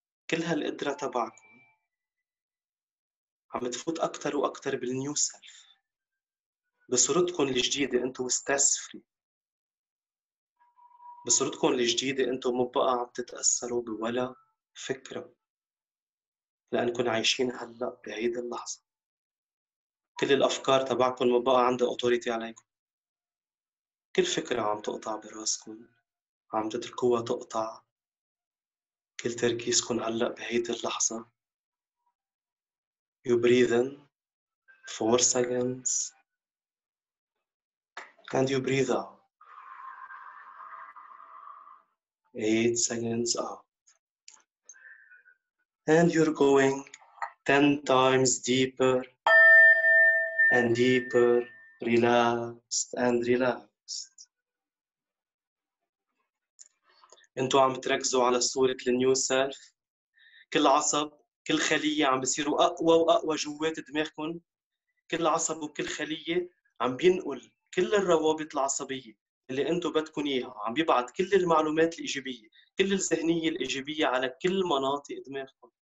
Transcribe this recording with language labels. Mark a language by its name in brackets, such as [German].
[Arabic] كل هالقدرة تبعكم عم تفوت أكتر وأكتر بالنيو سيلف، بصورتكم الجديدة أنتو ستريس فري، بصورتكم الجديدة أنتو مو بقى عم تتأثروا بولا فكرة لأنكم عايشين هلأ بهيد اللحظة. كل الأفكار تبعكم مو بقى عندها أوتوريتي عليكم، كل فكرة عم تقطع براسكم عم تتركوها تقطع، كل تركيزكم هلأ بهيدي اللحظة. [English] You breathe in 4 seconds and you breathe out 8 seconds out. and you're going 10 times deeper and deeper, relaxed and relaxed. [Arabic] انتو عم تركزوا على صورة النيو سيلف. كل عصب كل خلية عم بصيروا أقوى وأقوى جوات دماغكم. كل عصب وكل خلية عم بينقل كل الروابط العصبية اللي انتو بدكن إياها، عم بيبعد كل المعلومات الإيجابية، كل الذهنية الإيجابية على كل مناطق دماغكم.